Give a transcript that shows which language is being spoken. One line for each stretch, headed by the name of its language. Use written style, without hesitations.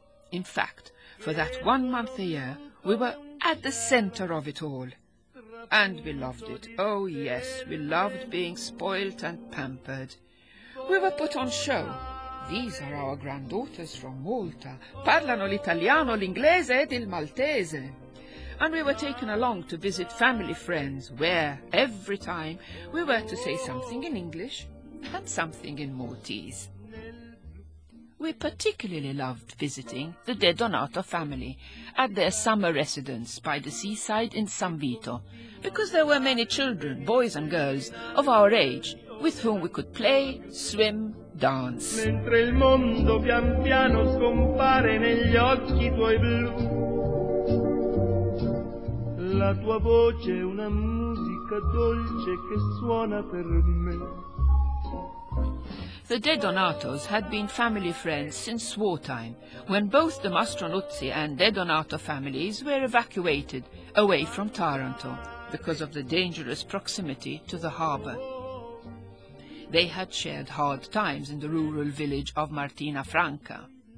English: In fact, for that 1 month a year, we were at the center of it all. And we loved it. Oh yes, we loved being spoilt and pampered. We were put on show. These are our granddaughters from Malta.
Italian: Parlano l'italiano, l'inglese ed il maltese.
English: And we were taken along to visit family friends where, every time, we were to say something in English and something in Maltese. We particularly loved visiting the De Donato family at their summer residence by the seaside in San Vito, because there were many children, boys and girls, of our age, with whom we could play, swim, dance.
Italian: Mentre il mondo pian piano scompare negli occhi tuoi blu, la tua voce è una musica dolce che suona per me.
English: The De Donatos had been family friends since wartime, when both the Mastro Nuzzi and De Donato families were evacuated away from Taranto because of the dangerous proximity to the harbour. They had shared hard times in the rural village of Martina Franca.